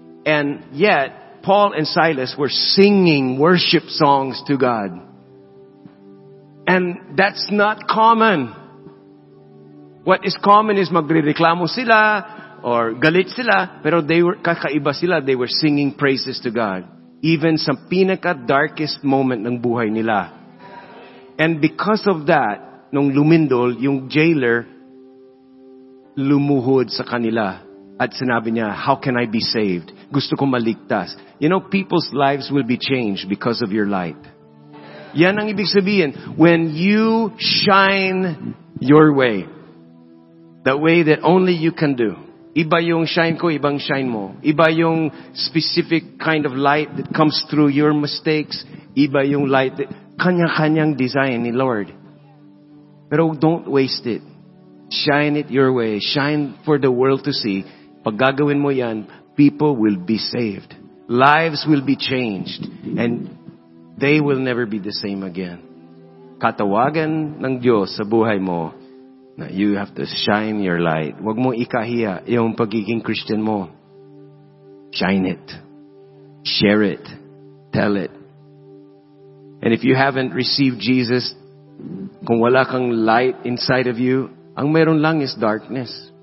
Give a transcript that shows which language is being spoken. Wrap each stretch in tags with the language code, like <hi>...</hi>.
<en>And yet, Paul and Silas were singing worship songs to God. And that's not common. What is common is</en> <tl>magre-reklamo sila</tl> <en>or</en> <tl>galit sila, pero</tl> <en>they were</en> <tl>kakaiba sila.</tl> <en>They were singing praises to God.</en> <tl>Even sa pinaka-darkest moment ng buhay nila.</tl> <en>And because of that,</en> <tl>nung lumindol, yung jailer lumuhod sa kanila at sinabi niya,</tl> <en>how can I be saved?</en> <tl>Gusto ko maligtas.</tl> <en>You know, people's lives will be changed because of your light.</en> <tl>Yan ang ibig sabihin.</tl> <en>When you shine your way, the way that only you can do,</en> <tl>iba yung shine ko, ibang shine mo. Iba yung</tl> <en>specific kind of light that comes through your mistakes.</en> <tl>Iba yung</tl> <en>light that</en> <tl>kanya-kanyang</tl> <en>design ni Lord.</en> <tl>Pero</tl> <en>don't waste it. Shine it your way. Shine for the world to see.</en> <tl>Pag gagawin mo yan,</tl> <en>people will be saved. Lives will be changed. And they will never be the same again.</en> <tl>Katawagan ng Diyos sa buhay mo.</tl> <en>Now you have to shine your light.</en> <tl>Huwag mo ikahiya yung pagiging Christian mo.</tl> <en>Shine it. Share it. Tell it. And if you haven't received Jesus,</en> <tl>kung wala kang</tl> <en>light inside of you,</en> <tl>ang meron lang is</tl> <en>darkness.</en>